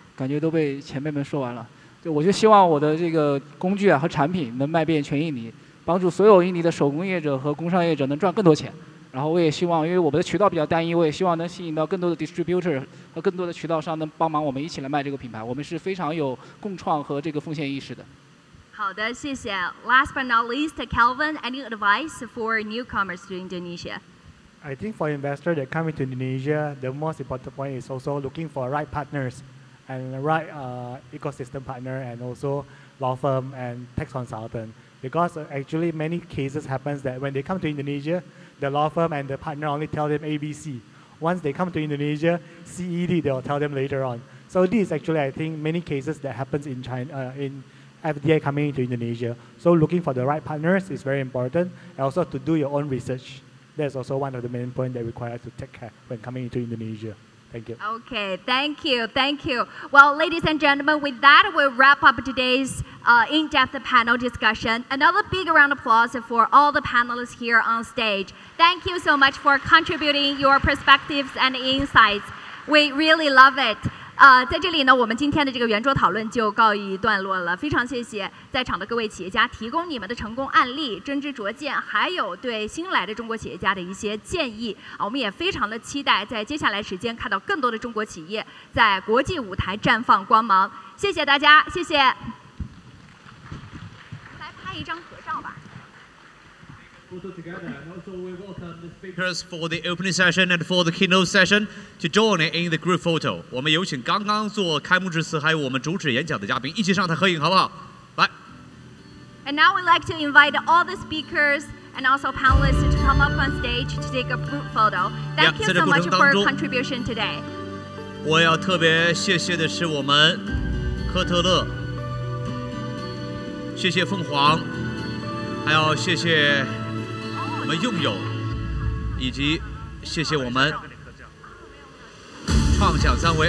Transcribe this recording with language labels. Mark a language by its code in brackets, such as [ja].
[zh] 感觉都被前辈们说完了。对，我就希望我的这个工具啊和产品能卖遍全印尼，帮助所有印尼的手工业者和工商业者能赚更多钱。然后我也希望，因为我们的渠道比较单一，我也希望能吸引到更多的 distributor 和更多的渠道商能帮忙我们一起来卖这个品牌。我们是非常有共创和这个奉献意识的。好的，谢谢。 [en] Last but not least, Calvin, any advice for newcomers to Indonesia? I think for investors that come into Indonesia, the most important point is also looking for right partners and right ecosystem partner and also law firm and tax consultant. Because actually many cases happens that when they come to Indonesia, the law firm and the partner only tell them ABC. Once they come to Indonesia, CED, they'll tell them later on. So this is actually, I think, many cases that happens in China, in FDA coming into Indonesia. So looking for the right partners is very important. And also to do your own research. That's also one of the main points that requires to take care when coming into Indonesia. Thank you. Okay, thank you, thank you. Well, ladies and gentlemen, with that, we'll wrap up today's in-depth panel discussion. Another big round of applause for all the panelists here on stage. Thank you so much for contributing your perspectives and insights. We really love it. [zh] 在这里呢，我们今天的这个圆桌讨论就告一段落了。非常谢谢在场的各位企业家提供你们的成功案例、真知灼见，还有对新来的中国企业家的一些建议。我们也非常的期待在接下来时间看到更多的中国企业在国际舞台绽放光芒。谢谢大家，谢谢。来拍一张合照吧。 [en] Speakers for the opening session and for the keynote session to join in the group photo. [zh] 我们有请刚刚做开幕致辞还有我们主旨演讲的嘉宾一起上台合影，好不好？来。 [en] And now we'd like to invite all the speakers and also panelists to come up on stage to take a group photo. Thank you so much for your contribution today. [zh] 我要特别谢谢的是我们科特勒，谢谢凤凰，还要谢谢我们用友，以及谢谢我们创想三维。